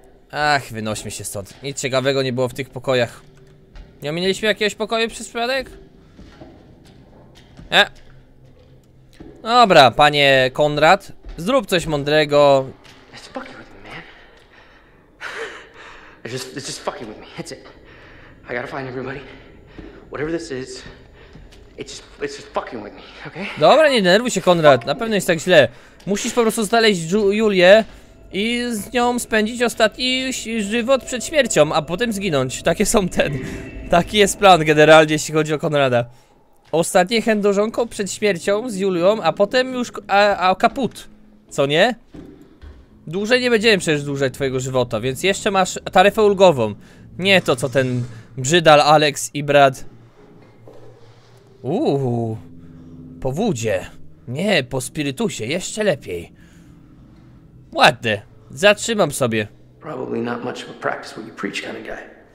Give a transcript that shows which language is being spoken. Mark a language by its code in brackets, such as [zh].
[pl] Ach, wynośmy się stąd. Nic ciekawego nie było w tych pokojach. Nie ominęliśmy jakiegoś pokoju przez przypadek? E. Dobra, panie Konrad, zrób coś mądrego. [en] It's fucking with me, man. It's just fucking with me. That's it. I gotta find everybody. Whatever this is, it's just fucking with me, okay? [pl] Dobra, nie denerwuj się, Konrad. Na pewno jest tak źle. Musisz po prostu znaleźć Julię i z nią spędzić ostatni żywot przed śmiercią, a potem zginąć. Takie są ten. Taki jest plan generalnie, jeśli chodzi o Konrada. Ostatnie chędożonko przed śmiercią z Julią, a potem już kaput. Co nie? Dłużej nie będziemy przecież dłużej twojego żywota, więc jeszcze masz taryfę ulgową. Nie to, co ten brzydal Alex i Brad. Po wodzie. Nie, po spirytusie, jeszcze lepiej. Ładne. Zatrzymam sobie. [en] Probably not much of a practice what you preach kind of guy.